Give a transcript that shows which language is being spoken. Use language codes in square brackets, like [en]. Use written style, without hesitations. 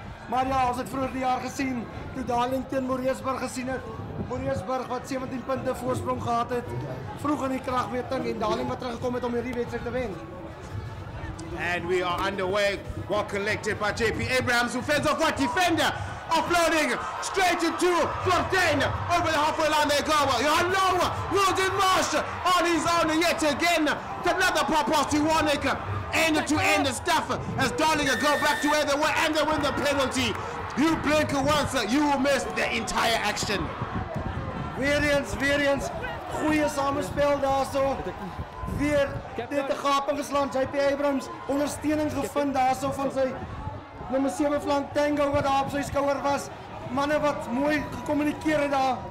[af] Maar ja, ons het vroeër die jaar gesien toe Darling teen Moreesburg gesien het. Moreesburg wat 17 punte voorsprong gehad het vroeg in die kragmeting en Darling wat teruggekom het om hierdie wedstryd te wen. [en] And we are underway, well collected by JP Abrahams, who fends off that defender, offloading straight into Fortin, over the halfway line they go. Johan Lowe, Wilden Marsh on his own yet again, another pop off to Warnick, end to end stuff as Darling go back to where they were and they win the penalty. You blink once, you will miss the entire action. [af] Weer eens, goeie samenspel daar so. Weer net 'n gaping geslaan, JP Abrahams ondersteuning gevind daarso van sy nommer 7 flank Tango wat daar op sy skouer was. Manne wat mooi gekommunikeer het daar.